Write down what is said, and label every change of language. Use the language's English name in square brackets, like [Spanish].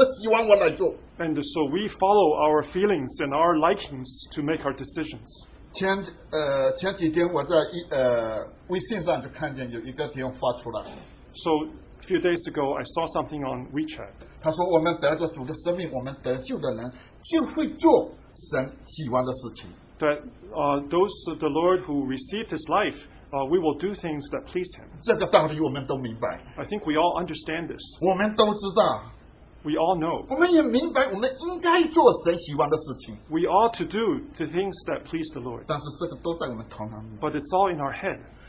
[English] And so we follow our feelings and our likings to make our decisions. [Chinese] 前几天我在微信上就看见有一个弟兄发出来。 [English] So a few days ago, I saw something on WeChat. [Chinese] 他说我们得着主的生命,我们得救的人就会做神喜欢的事情。 [English] That those of the Lord who received his life, we will do things that please him. [Chinese] 这个道理我们都明白。 [English] I think we all understand this. [Chinese] 我们都知道。 [English] We all know. [Chinese] 我们也明白我们应该做神喜欢的事情。 [English] We ought to do the things that please the Lord. But it's all in our head.